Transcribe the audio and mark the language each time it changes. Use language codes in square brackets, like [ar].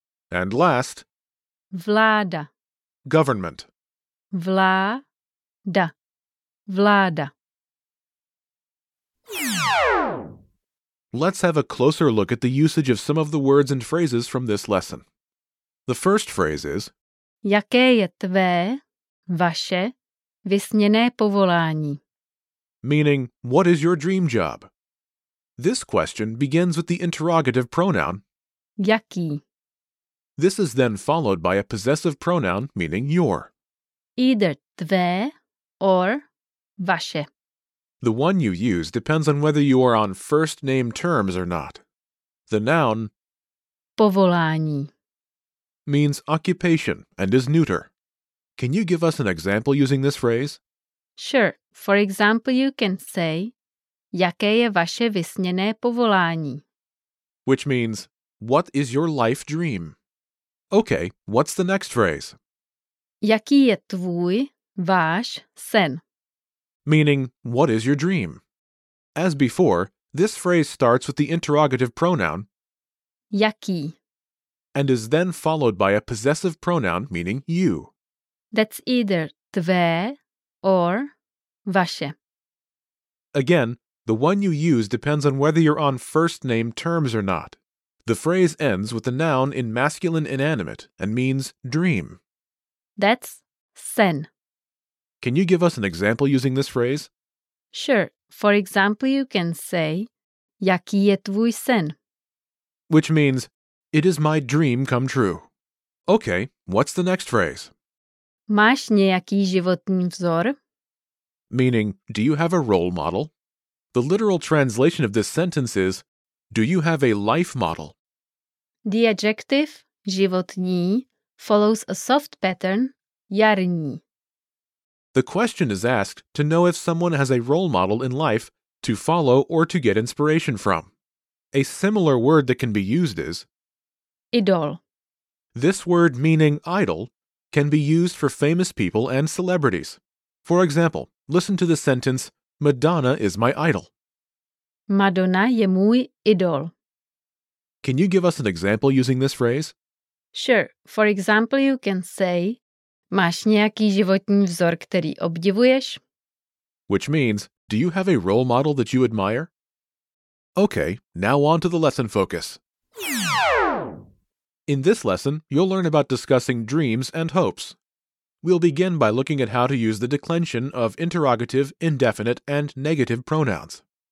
[en] And last, [cs] vláda. [en] Government. [cs] Vláda. Vláda. [en] Let's have a closer look at the usage of some of the words and phrases from this lesson. The first phrase is, [cs] jaké je tvé, vaše, vysněné povolání? [en] Meaning, what is your dream job? This question begins with the interrogative pronoun [cs] jaký. [en] This is then followed by a possessive pronoun meaning your. Either tvé or vaše. The one you use depends on whether you are on first name terms or not. The noun [cs] povolání [en] means occupation and is neuter. Can you give us an example using this phrase? Sure. For example, you can say, [cs] jaké je vaše vysněné povolání? [en] Which means, what is your life dream? Okay, what's the next phrase? [cs] Jaký je tvůj, váš, sen? [en] Meaning, what is your dream? As before, this phrase starts with the interrogative pronoun [cs] jaký, [en] and is then followed by a possessive pronoun meaning you. That's either tvé or vaše. Again, the one you use depends on whether you're on first name terms or not. The phrase ends with a noun in masculine inanimate and means dream. That's sen. Can you give us an example using this phrase? Sure. For example, you can say, [cs] jaký je tvůj sen? [en] Which means, it is my dream come true. Okay, what's the next phrase? [cs] Máš nějaký životní vzor? [en] Meaning, do you have a role model? The literal translation of this sentence is, do you have a life model? The adjective životní follows a soft pattern, jarní. The question is asked to know if someone has a role model in life to follow or to get inspiration from. A similar word that can be used is [cs] idol. [en] This word meaning idol can be used for famous people and celebrities. For example, listen to the sentence, Madonna is my idol. [cs] Madonna je můj idol. [en] Can you give us an example using this phrase? Sure. For example, you can say, [cs] máš nějaký životní vzor, který obdivuješ? [en] Which means, do you have a role model that you admire? Okay, now on to the lesson focus. In this lesson, you'll learn about discussing dreams and hopes. We'll begin by looking at how to use the declension of interrogative, indefinite, and negative pronouns.